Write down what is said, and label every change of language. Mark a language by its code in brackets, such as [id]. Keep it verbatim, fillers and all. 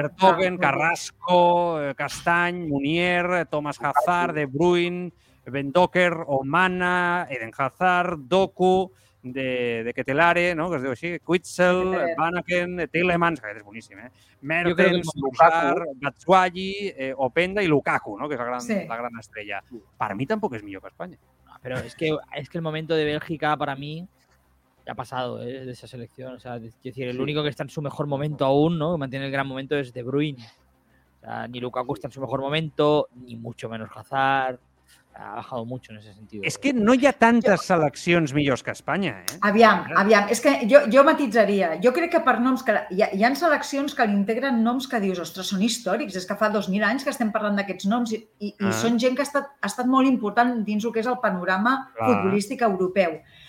[ca] Vertonghen, Carrasco, Castany, Munier, Thomas Hazard, De Bruyne, Bendoker, Omana, Eden Hazard, Doku, de, de Ketelare, no?, que es diu així, Quitzel, Vanaken, Tielemans, que és boníssim, eh? Mertens, Lukaku, Batshuayi, eh, Openda i Lukaku, no?, que és la gran, sí. la gran estrella. Per mi tampoc és millor que Espanya. No, però és que, [es] es que el momento de Bélgica, para mí, ha pasado, eh, de esa selección. O sea, es decir, el único que está en su mejor momento aún, ¿no?, que mantiene el gran momento es De Bruyne. O sea, ni Lukaku está en su mejor momento, ni mucho menos Hazard. Ha bajado mucho en ese sentido. [ca] És que no hi ha tantes seleccions millors que Espanya, eh? Aviam, aviam. És que jo, jo matitzaria. Jo crec que per noms... que hi ha, hi ha seleccions que li integren noms que dius, ostres, són històrics. És que fa dos mil anys que estem parlant d'aquests noms i, i, ah. i són gent que ha estat, ha estat molt important dins el que és el panorama ah. futbolístic europeu.